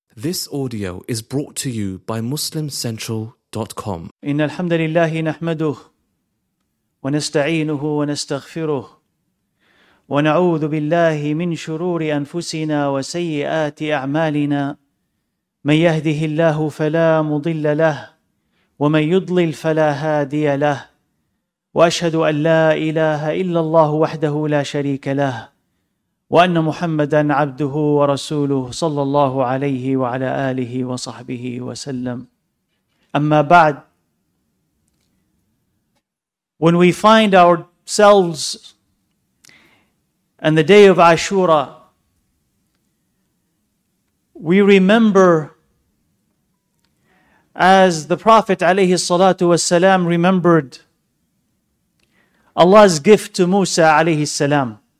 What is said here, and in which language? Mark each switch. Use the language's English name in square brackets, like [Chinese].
[English] This audio is brought to you by MuslimCentral.com. [Arabic] إن الحمد لله نحمده ونستعينه ونستغفره ونعوذ بالله من شرور أنفسنا وسيئات أعمالنا من يهده الله فلا مضل له ومن يضلل فلا هادي له وأشهد أن لا إله إلا الله وحده لا شريك له وأن محمدًا عبده ورسوله صلى الله عليه وعلى آله وصحبه وسلم. أما بعد, [English] when we find ourselves on the day of Ashura, we remember as the Prophet [Arabic] عليه الصلاة والسلام [English] remembered Allah's gift to Musa عليه السلام.